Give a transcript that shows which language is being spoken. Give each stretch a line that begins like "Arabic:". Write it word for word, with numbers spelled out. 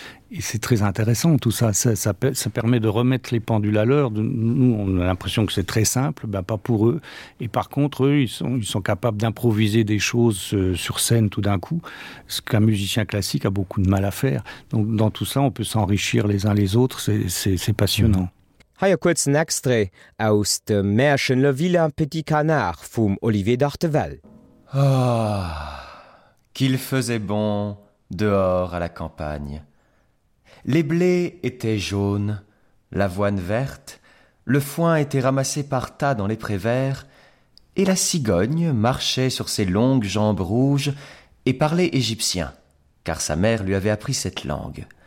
French: Et c'est très intéressant tout ça. Ça, ça, ça permet de remettre les pendules à l'heure. De, nous, on a l'impression que c'est très simple, ben pas pour eux. Et par contre, eux, ils sont, ils sont capables d'improviser des choses euh, sur scène tout d'un coup, ce qu'un musicien classique a beaucoup de mal à faire. Donc, dans tout ça, on peut s'enrichir les uns les autres. C'est, c'est, c'est passionnant. Mmh.
German: Hier kurz ein Extrait aus dem Märchen Le Vilain Petit Canard vom Olivier d'Artevel.
French: Ah, qu'il faisait bon dehors à la campagne. Les blés étaient jaunes, l'avoine verte, le foin était ramassé par tas dans les prés verts, et la cigogne marchait sur ses longues jambes rouges et parlait égyptien, car sa mère lui avait appris cette langue.